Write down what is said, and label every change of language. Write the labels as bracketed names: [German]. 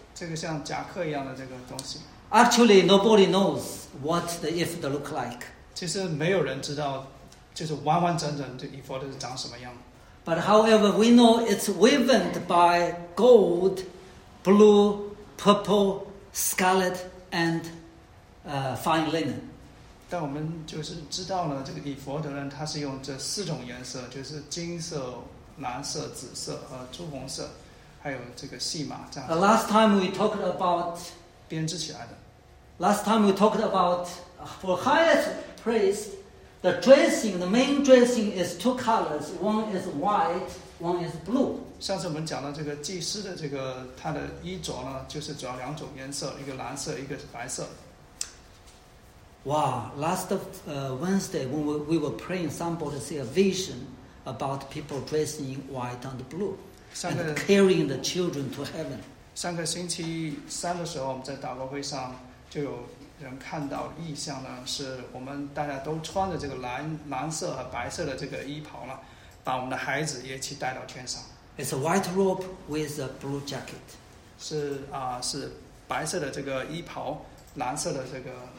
[Chinese] 这个像夹克一样的这个东西。 [English] Actually, nobody knows what the ephod look like. [Chinese] 其实没有人知道，就是完完整整这以弗德是长什么样。 [English] But however, we know it's woven by gold, blue, purple. Scarlet and fine linen. [Chinese] 但我们就是知道了这个以弗德呢，它是用这四种颜色，就是金色、蓝色、紫色和朱红色。还有这个戏码这样。 [English] Last time we talked about [Chinese] 编织起来的。 [English] Last time we talked about for highest priest, the dressing, the main dressing is two colors. One is white, one is blue. [Chinese] 上次我们讲到这个祭司的这个他的衣着呢，就是主要两种颜色，一个蓝色，一个是白色。 [English] Wow, last Wednesday when we were praying, somebody see a vision about people dressing in white and blue and carrying the children to heaven. [Chinese] 上个星期三的时候，我们在祷告会上就有人看到异象呢，是我们大家都穿着这个蓝色和白色的这个衣袍了，把我们的孩子也一起带到天上。 [English] It's a white robe with a blue jacket. [Chinese] 是白色的这个衣袍，蓝色的这个